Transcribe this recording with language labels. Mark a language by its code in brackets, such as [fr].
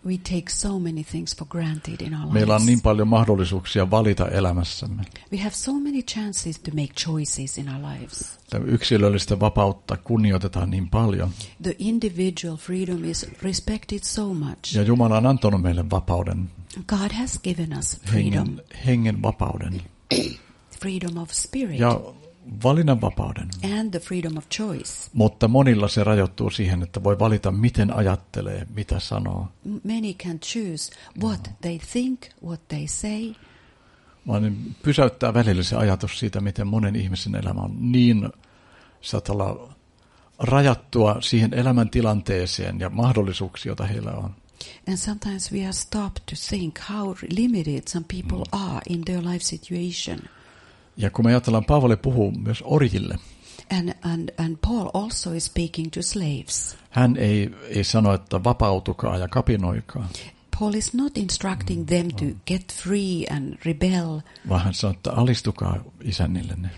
[en] We take so many things for granted in our lives. [fi] Meillä on niin paljon mahdollisuuksia valita elämässämme. [en] We have so many chances to make choices in our lives. [fi] Yksilöllistä vapautta kunnioitetaan niin paljon. [en] The individual freedom is respected so much. [fi] Ja Jumala on antanut meille vapauden. [en] God has given us freedom. [fi] Hengen vapauden. [en] Freedom of spirit. [fi] Ja valinnanvapauden. [en] And the freedom of choice. [fi] Mutta monilla se rajoittuu siihen, että voi valita, miten ajattelee, mitä sanoo. [en] Many can choose what they think, what they say. [fi] Mä niin pysäyttää välillä se ajatus siitä, miten monen ihmisen elämä on niin rajattua siihen elämäntilanteeseen ja mahdollisuuksiin, joita heillä on. [en] And sometimes we are stopped to think how limited some people are in their life situation. [fi] Ja kun me ajatellaan, Paavali puhuu myös orjille. [en] And Paul also is speaking to slaves. [fi] Hän ei sano, että vapautukaa ja kapinoikaa. [en] Paul is not instructing them to get free and rebel. [fi] Vaan hän sanoo, että alistukaa isännillenne.